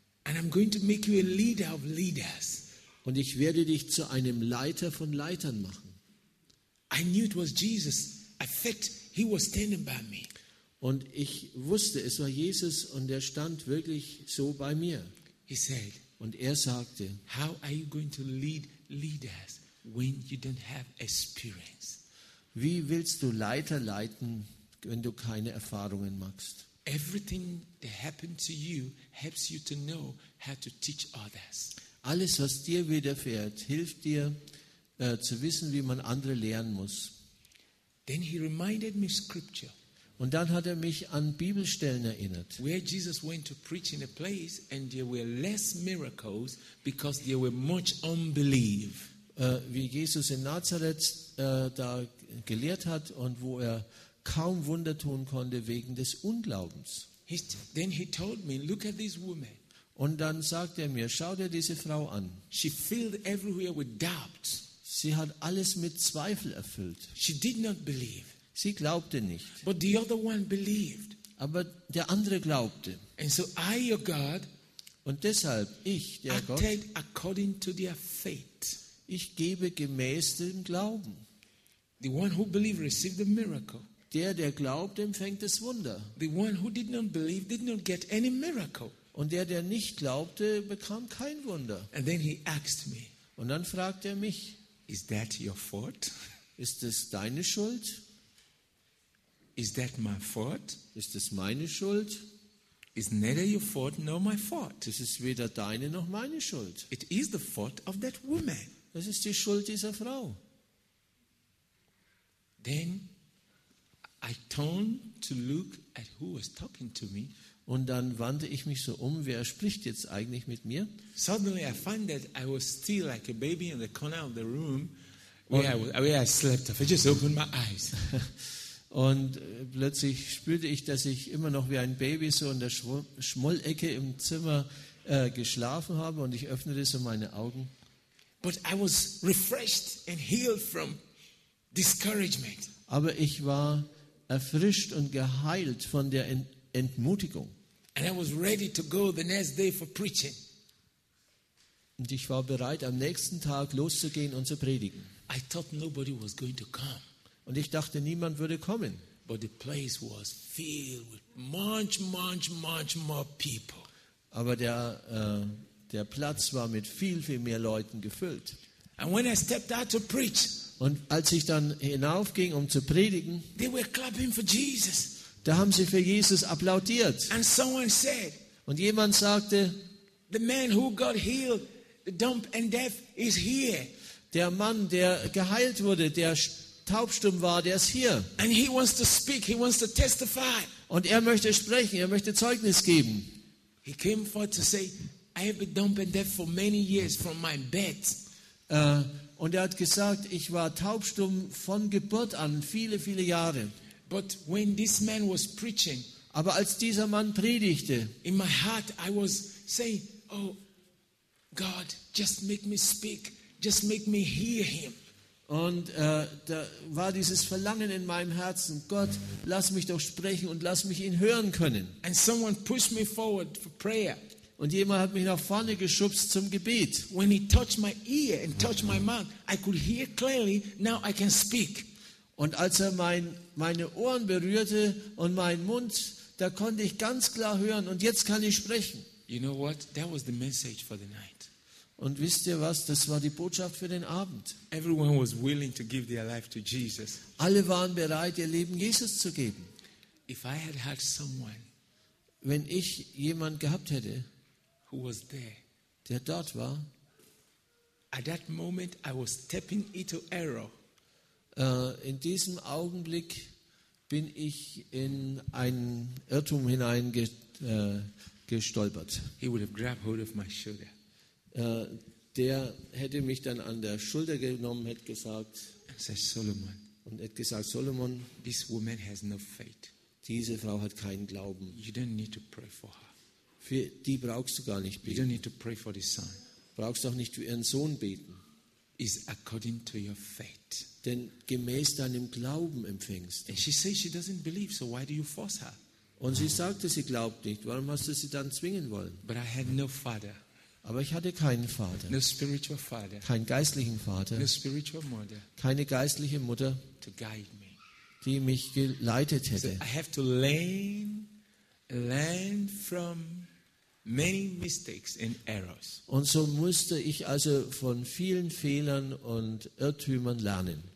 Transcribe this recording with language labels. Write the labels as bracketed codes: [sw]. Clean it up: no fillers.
[en] And I'm going to make you a leader of leaders. [de] Und ich werde dich zu einem Leiter von Leitern machen. [en] I knew it was Jesus. I felt he was standing by me. [de] Und ich wusste, es war Jesus und er stand wirklich so bei mir. [en] He said, [de] und er sagte, [en] how are you going to lead leaders when you don't have experience? [de] Wie willst du Leiter leiten, wenn du keine Erfahrungen machst? [en] Everything that happened to you helps you to know how to teach others. [de] Alles, was dir widerfährt, hilft dir zu wissen, wie man andere lehren muss. [en] Then he reminded me scripture. [de] Und dann hat er mich an Bibelstellen erinnert. [en] Where Jesus went to preach in a place and there were less miracles because there were much unbelief. [de] Wie Jesus in Nazareth da gelehrt hat und wo er kaum Wunder tun konnte wegen des Unglaubens. [en] Then he told me, look at this woman. [de] Und dann sagt er mir, schau dir diese Frau an. [en] She filled everywhere with doubt. [de] Sie hat alles mit Zweifel erfüllt. [en] She did not believe. [de] Sie glaubte nicht. [en] But the other one believed. [de] Aber der andere glaubte. [en] And so I, your God, [de] und deshalb ich, der Gott, [en] acted according to their faith. [de] Ich gebe gemäß dem Glauben. [en] The one who believed received the miracle. [de] Der glaubt, empfängt das Wunder. [en] The one who did not believe did not get any miracle. [de] Und der nicht glaubte, bekam kein Wunder. [en] And then he asked me. [de] Und dann fragt er mich. [en] Is that your fault? [de] Ist das deine Schuld? [en] Is that my fault? [de] Ist das meine Schuld? [en] It's neither your fault nor my fault. [de] Es ist weder deine noch meine Schuld. [en] It is the fault of that woman. [de] Es ist die Schuld dieser Frau. [en] Then I turned to look at who was talking to me. [de] Und dann wandte ich mich so um, wer spricht jetzt eigentlich mit mir? [en] Suddenly I found that I was still like a baby in the corner of the room where I slept off. I just opened my eyes. [de] Und plötzlich spürte ich, dass ich immer noch wie ein Baby so in der Schmollecke im Zimmer geschlafen habe und ich öffnete so meine Augen. [en] But I was refreshed and healed from discouragement. [de] Aber ich war erfrischt und geheilt von der Entmutigung. [en] And I was ready to go the next day for preaching. [de] Und ich war bereit, am nächsten Tag loszugehen und zu predigen. [en] I thought nobody was going to come. [de] Und ich dachte, niemand würde kommen. [en] But the place was filled with much, much, much more people. [de] Aber der Platz war mit viel, viel mehr Leuten gefüllt. [en] And when I stepped out to preach, [de] und als ich dann hinaufging, um zu predigen, [en] they were clapping for Jesus. [de] Da haben sie für Jesus applaudiert. [en] And someone said, [de] und jemand sagte, [en] the man who got healed, the dumb and deaf, is here. [de] Der Mann, der geheilt wurde, der taubstumm war, der ist hier. [en] And he wants to speak, he wants to testify. [de] Und er möchte sprechen, er möchte Zeugnis geben. [en] He came forward to say, I have been dumb and deaf for many years from my bed. [de] Und er hat gesagt, ich war taubstumm von Geburt an, viele, viele Jahre. [en] But when this man was preaching, [de] Aber als dieser Mann predigte, [en] in my heart I was saying, oh God, just make me speak, just make me hear him. [de] Und da war dieses Verlangen in meinem Herzen, Gott, lass mich doch sprechen und lass mich ihn hören können. [en] And someone pushed me forward for prayer. [de] Und jemand hat mich nach vorne geschubst zum Gebet. [en] When he touched my ear and touched my mouth, I could hear clearly, now I can speak. [de] Und als er meine Ohren berührte und meinen Mund, da konnte ich ganz klar hören und jetzt kann ich sprechen. [en] You know what? That was the message for the night. [de] Und wisst ihr was? Das war die Botschaft für den Abend. [en] Everyone was willing to give their life to Jesus. [de] Alle waren bereit, ihr Leben Jesus zu geben. [en] If I had had someone, [de] wenn ich jemand gehabt hätte, [en] who was there, [de] der dort war, [en] at that moment I was stepping into error. [de] In diesem Augenblick bin ich in ein Irrtum hineingestolpert. [en] He would have grabbed hold of my shoulder. [de] Der hätte mich dann an der Schulter genommen, hätte gesagt, [en] Solomon, [de] und hätte gesagt, Solomon, [en] this woman has no faith. [de] Diese Frau hat keinen Glauben. [en] You don't need to pray for her. [de] Für die brauchst du gar nicht beten. [en] You don't need to pray for the son. [de] Brauchst auch nicht für ihren Sohn beten. [en] Is according to your faith. [de] Denn gemäß deinem Glauben empfängst. [en] And she says she doesn't believe, so why do you force her? [de] Und sie sagte, sie glaubt nicht. Warum hast du sie dann zwingen wollen? [en] But I had no father. [de] Aber ich hatte keinen Vater. [en] No spiritual father. [de] Keinen geistlichen Vater. [en] No spiritual mother. [de] Keine geistliche Mutter, [en] to guide me. [de] Die mich geleitet hätte. [en] So I have to learn from many mistakes and errors. [de] Und so musste ich also von vielen Fehlern und Irrtümern lernen.